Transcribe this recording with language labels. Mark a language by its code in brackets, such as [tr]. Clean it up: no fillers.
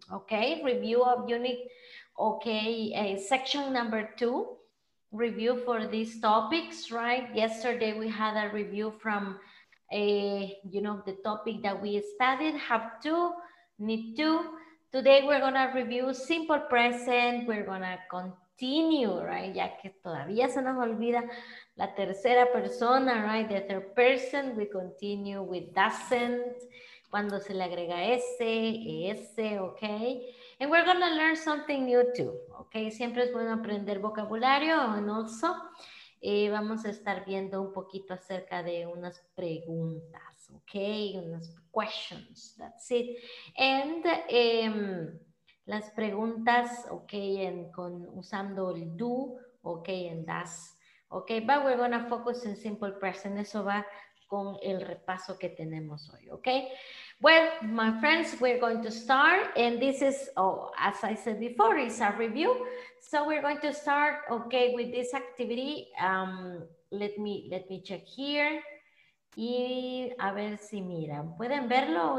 [en] Okay, review of unit, okay, section number 2. Review for these topics, right? Yesterday we had a review from the topic that we studied, have to, need to. Today we're gonna review simple present. We're gonna continue, right? [es] Ya que todavía se nos olvida la tercera persona, right? [en] The third person, we continue with doesn't, [es] cuando se le agrega ese, ese, [en] okay? And we're gonna learn something new too, okay? [es] Siempre es bueno aprender vocabulario [en] and also, [es] vamos a estar viendo un poquito acerca de unas preguntas, ok, unas questions, [en] that's it. And [es] las preguntas, [en] ok, [es] usando el [en] do, ok, and does, ok, but we're going to focus in simple present. [es] Eso va con el repaso que tenemos hoy, ok. [en] Well, my friends, we're going to start, and this is, oh, as I said before, it's a review. So we're going to start, okay, with this activity. Let me check here. [es] Y a ver si miran. ¿Pueden verlo?